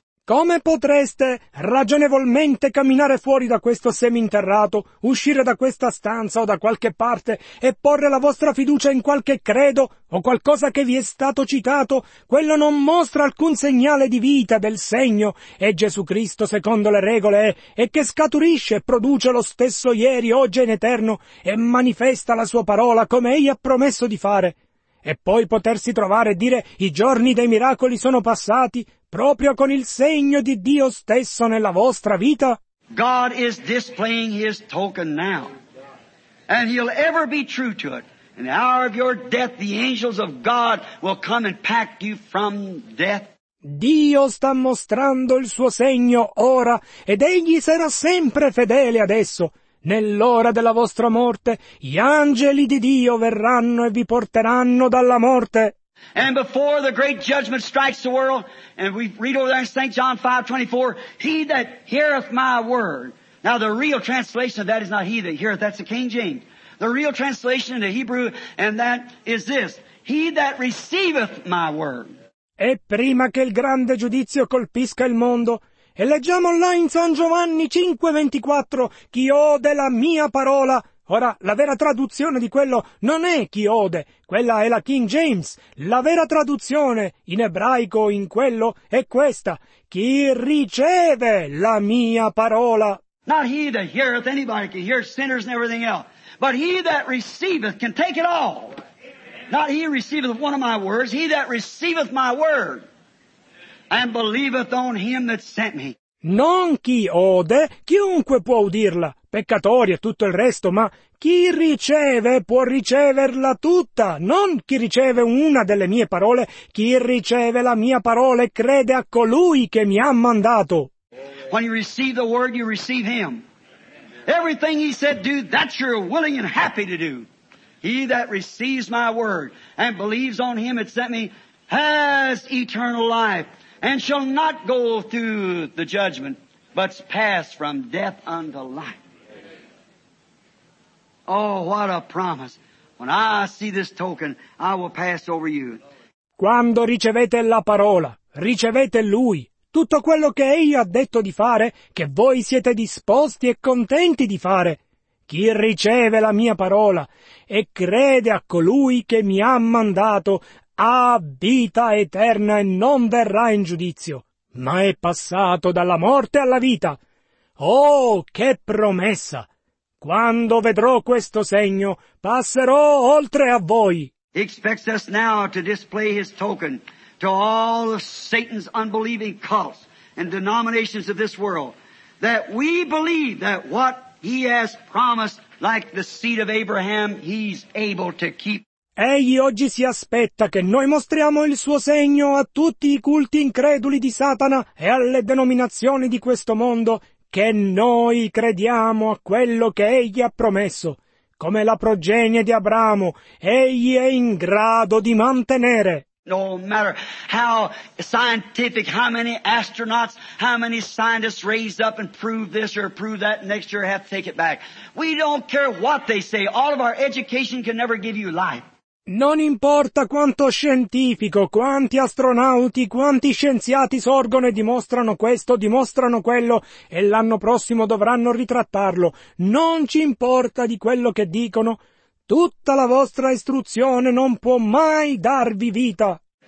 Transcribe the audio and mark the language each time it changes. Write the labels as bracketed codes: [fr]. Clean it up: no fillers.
[it] Come potreste ragionevolmente camminare fuori da questo seminterrato, uscire da questa stanza o da qualche parte e porre la vostra fiducia in qualche credo o qualcosa che vi è stato citato? Quello non mostra alcun segnale di vita, del segno. E Gesù Cristo, secondo le regole, è che scaturisce e produce lo stesso ieri, oggi e in eterno e manifesta la sua parola come egli ha promesso di fare. E poi potersi trovare e dire «i giorni dei miracoli sono passati», proprio con il segno di Dio stesso nella vostra vita? [en] God is displaying his token now. And he'll ever be true to it. In the hour of your death, the angels of God will come and pack you from death. [it] Dio sta mostrando il suo segno ora, ed egli sarà sempre fedele adesso. Nell'ora della vostra morte, gli angeli di Dio verranno e vi porteranno dalla morte. [en] And before the great judgment strikes the world, and we read over there in St. John 5:24, he that heareth my word. Now the real translation of that is not he that heareth, that's the King James. The real translation in the Hebrew, and that is this, he that receiveth my word. [it] E prima che il grande giudizio colpisca il mondo, e leggiamo là in San Giovanni 5:24, chi ode la mia parola. Ora, la vera traduzione di quello non è chi ode, quella è la King James. La vera traduzione in ebraico in quello è questa, chi riceve la mia parola. [en] Not he that heareth, anybody can hear sinners and everything else, but he that receiveth can take it all. Not he receiveth one of my words, he that receiveth my word and believeth on him that sent me. [it] Non chi ode, chiunque può udirla, peccatori e tutto il resto, ma chi riceve può riceverla tutta, non chi riceve una delle mie parole, chi riceve la mia parola e crede a colui che mi ha mandato. [en] When you receive the word, you receive him. Everything he said do, that you're willing and happy to do. He that receives my word and believes on him that sent me has eternal life and shall not go through the judgment, but pass from death unto life. Oh, what a promise. When I see this token, I will pass over you. [it] Quando ricevete la parola, ricevete lui. Tutto quello che egli ha detto di fare, che voi siete disposti e contenti di fare. Chi riceve la mia parola e crede a colui che mi ha mandato, ha vita eterna e non verrà in giudizio, ma è passato dalla morte alla vita. Oh, che promessa! Quando vedrò questo segno, passerò oltre a voi. [en] He expects us now to display his token to all of Satan's unbelieving cults and denominations of this world, that we believe that what he has promised, like the seed of Abraham, he's able to keep. [it] Egli oggi si aspetta che noi mostriamo il suo segno a tutti i culti increduli di Satana e alle denominazioni di questo mondo, che noi crediamo a quello che egli ha promesso. Come la progenie di Abramo, egli è in grado di mantenere. [en] No matter how scientific, how many astronauts, how many scientists raised up and proved this or proved that, next year have to take it back. We don't care what they say. All of our education can never give you life. [it] Non importa quanto scientifico, quanti astronauti, quanti scienziati sorgono e dimostrano questo, dimostrano quello, e l'anno prossimo dovranno ritrattarlo. Non ci importa di quello che dicono. Tutta la vostra istruzione non può mai darvi vita.